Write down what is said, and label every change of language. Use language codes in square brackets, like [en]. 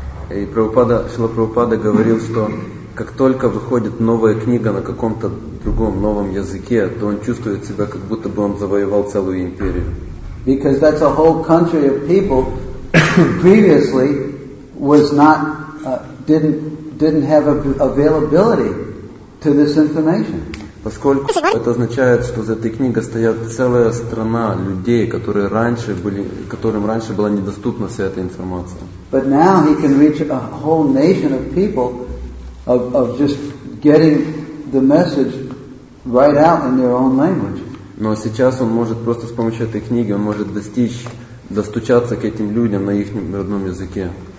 [ru] И Прабхупада, Шрила Прабхупада говорил, что как только выходит новая книга на каком-то другом, новом языке, то он чувствует себя, как будто бы он завоевал целую империю. [en] Because that's a whole country of people who previously was not, didn't have availability to this information. [ru] Поскольку это означает, что за этой книгой стоят целая страна людей, которые раньше были, которым раньше была недоступна вся эта информация. [en] But now he can reach a whole nation of people of just getting the message right out in their own language. [ru] Но сейчас он может просто с помощью этой книги, он может достучаться к этим людям на их родном языке.